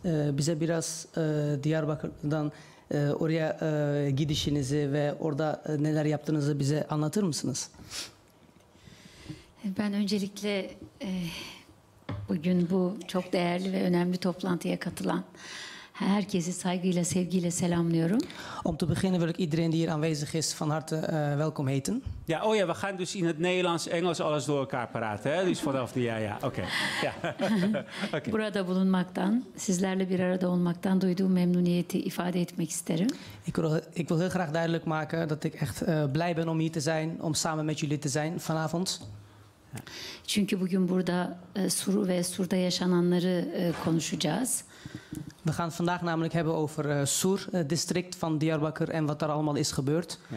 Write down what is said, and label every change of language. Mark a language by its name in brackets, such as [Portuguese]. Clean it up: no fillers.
[Turkish] Bize biraz Diyarbakır'dan oraya gidişinizi ve orada neler yaptığınızı bize anlatır mısınız? Ben öncelikle bugün bu çok değerli ve önemli toplantıya katılan herkesi saygıyla, sevgiyle selamlıyorum. [Dutch] Om te beginnen wil ik iedereen die hier aanwezig is van harte welkom heten. Ja, oh ja, we gaan dus in het Nederlands, Engels alles door elkaar praten, hè? Dus vanaf de ja. Oké. Okay. Okay. [Turkish] Burada bulunmaktan, sizlerle bir arada olmaktan duyduğum memnuniyeti ifade etmek isterim. [Dutch] Ik wil heel graag duidelijk maken dat ik echt blij ben om hier te zijn, om samen met jullie te zijn vanavond. [Turkish] Çünkü bugün burada Sur ve Sur'da yaşananları konuşacağız. [Dutch] We gaan het vandaag namelijk hebben over Sur district van Diyarbakir en wat daar allemaal is gebeurd.